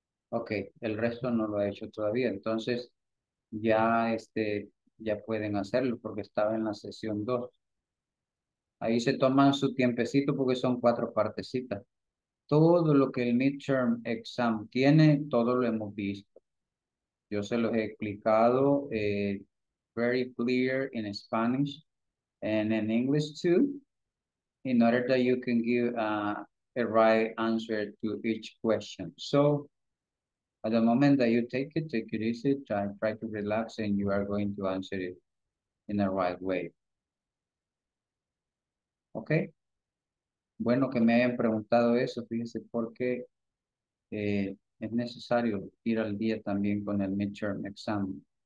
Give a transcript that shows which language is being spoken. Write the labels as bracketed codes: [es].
[es] Okay, el resto no lo ha hecho todavía. Entonces, ya este... Ya pueden hacerlo porque estaba en la sesión 2. Ahí se toman su tiempecito porque son 4 partecitas. Todo lo que el midterm exam tiene, todo lo hemos visto. Yo se los he explicado [en] very clear in Spanish and in English too, in order that you can give a right answer to each question. So, at the moment that you take it easy, try to relax, and you are going to answer it in the right way. Okay. [es] Bueno, que me hayan preguntado eso, fíjense, porque es necesario ir al día también con el midterm exam.